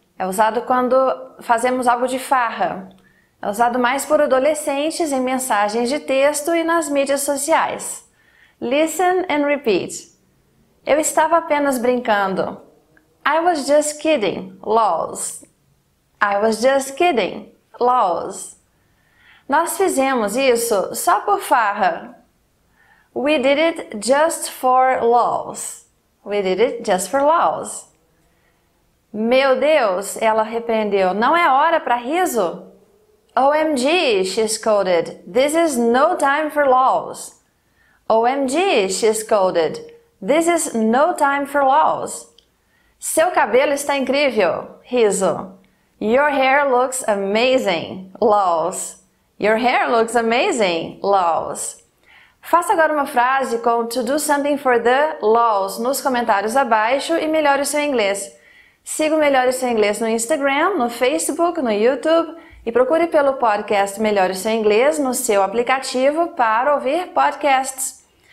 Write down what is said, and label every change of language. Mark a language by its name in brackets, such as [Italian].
[Portuguese] É usado quando fazemos algo de farra. É usado mais por adolescentes em mensagens de texto e nas mídias sociais. [English] Listen and repeat. [Portuguese] Eu estava apenas brincando. [English] I was just kidding, LOLs. I was just kidding, LOLs. [Portuguese] Nós fizemos isso só por farra. [English] We did it just for laughs. We did it just for laughs. [Portuguese] Meu Deus, ela repreendeu. Não é hora para riso? [English] OMG, she scolded. This is no time for laughs. OMG, she scolded. This is no time for laughs. [Portuguese] Seu cabelo está incrível. Riso. [English] Your hair looks amazing. Laughs. Your hair looks amazing. Laughs. [Portuguese] Faça agora uma frase com [English] to do something for the laws [Portuguese] nos comentários abaixo e melhore o seu inglês. Siga o Melhore Seu Inglês no Instagram, no Facebook, no YouTube e procure pelo podcast Melhore Seu Inglês no seu aplicativo para ouvir podcasts.